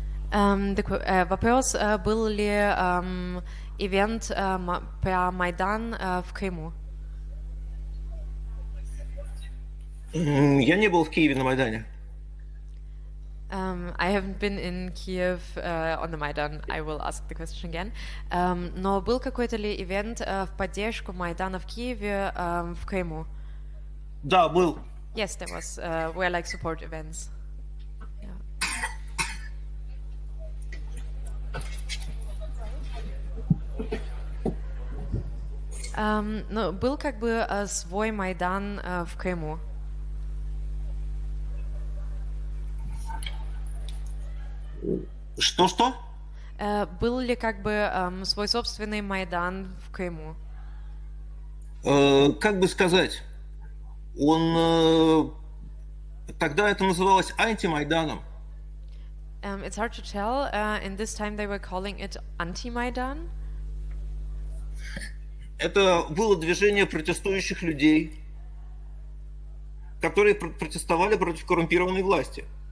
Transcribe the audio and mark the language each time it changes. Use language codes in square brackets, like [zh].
[ru] The вопрос был ли ивент про Майдан в Крыму? Я не был в Киеве на Майдане. [en] I haven't been in Kiev on the Maidan. I will ask the question again. [ru] Но был какой-то ли ивент в поддержку Майдана в Киеве в Крыму? Да, был. [en] Yes, there was. Were like support events. Yeah. [ru] Ну, был как бы свой Майдан в Крыму. Что-что? Был ли как бы свой собственный Майдан в Крыму? Как бы сказать, он тогда это называлось антимайданом. [en] It's hard to tell. In this time they were calling it anti-Maidan. [ru] Это было движение протестующих людей, которые протестовали против коррумпированной власти.